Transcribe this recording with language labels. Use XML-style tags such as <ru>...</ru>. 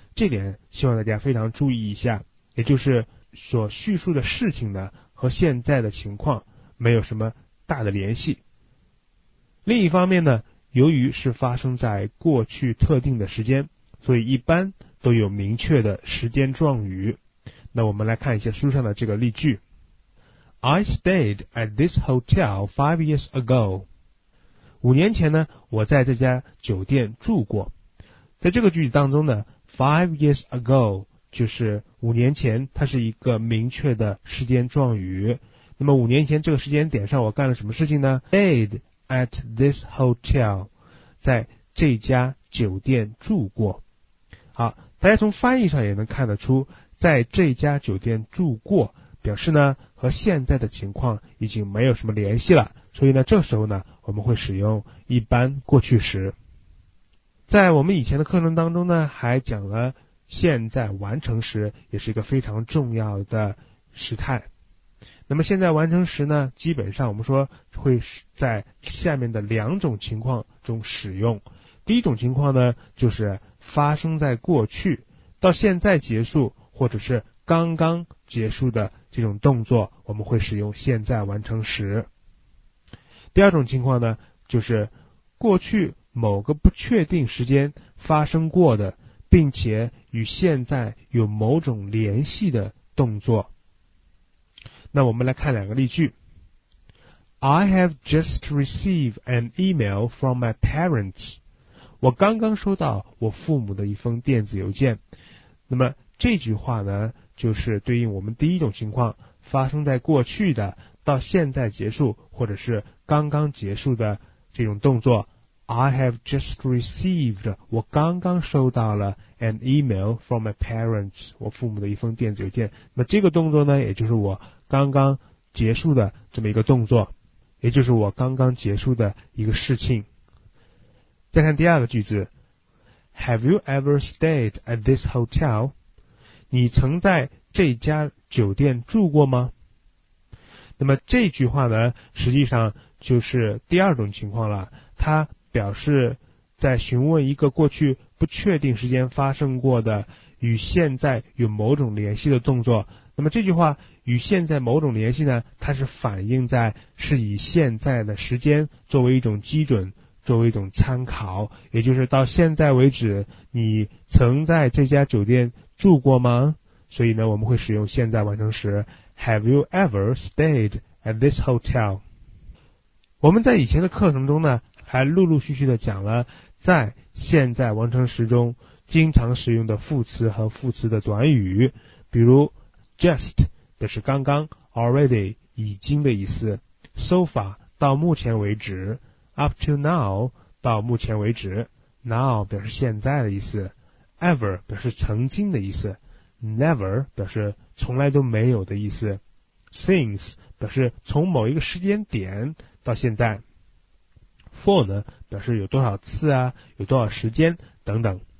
<zh>这点希望大家非常注意一下，也就是所叙述的事情呢，和现在的情况没有什么大的联系。另一方面呢，由于是发生在过去特定的时间，所以一般都有明确的时间状语。那我们来看一下书上的这个例句。</zh> <en>I stayed at this hotel 5 years ago.</en> <zh>五年前呢，我在这家酒店住过。在这个句子当中呢，</zh> <en>5 years ago</en> <zh>就是五年前，它是一个明确的时间状语。那么五年前这个时间点上我干了什么事情呢？</zh> <en>stayed at this hotel，</en> <zh>在这家酒店住过。好，大家从翻译上也能看得出，在这家酒店住过表示呢和现在的情况已经没有什么联系了，所以呢这时候呢我们会使用一般过去时。在我们以前的课程当中呢，还讲了现在完成时也是一个非常重要的时态。那么现在完成时呢，基本上我们说会在下面的两种情况中使用。第一种情况呢，就是发生在过去到现在结束或者是刚刚结束的这种动作，我们会使用现在完成时。第二种情况呢，就是过去某个不确定时间发生过的并且与现在有某种联系的动作。那我们来看两个例句。</zh> <en>I have just received an email from my parents.</en> <zh>我刚刚收到我父母的一封电子邮件。那么这句话呢，就是对应我们第一种情况，发生在过去的到现在结束或者是刚刚结束的这种动作。</zh> <en>I have just received，</en> <zh>我刚刚收到了</zh> <en>an email from my parents，</en> <zh>我父母的一封电子邮件。那这个动作呢，也就是我刚刚结束的这么一个动作，也就是我刚刚结束的一个事情。再看第二个句子。</zh> <en>Have you ever stayed at this hotel？</en> <zh>你曾在这家酒店住过吗？那么这句话呢，实际上就是第二种情况了。它表示在询问一个过去不确定时间发生过的与现在有某种联系的动作。那么这句话与现在某种联系呢，它是反映在是以现在的时间作为一种基准，作为一种参考，也就是到现在为止你曾在这家酒店住过吗？所以呢，我们会使用现在完成时</zh> <en>Have you ever stayed at this hotel?</en> <zh>我们在以前的课程中呢，还陆陆续续的讲了在现在完成时中经常使用的副词和副词的短语，比如 just 的是刚刚， already 已经的意思，</zh> <en>so far</en> <zh>到目前为止，</zh> <en>up to now</en> <zh>到目前为止， now 表示现在的意思，ever 表示曾经的意思， never 表示从来都没有的意思， since 表示从某一个时间点到现在， for 呢表示有多少次啊，有多少时间等等。</zh>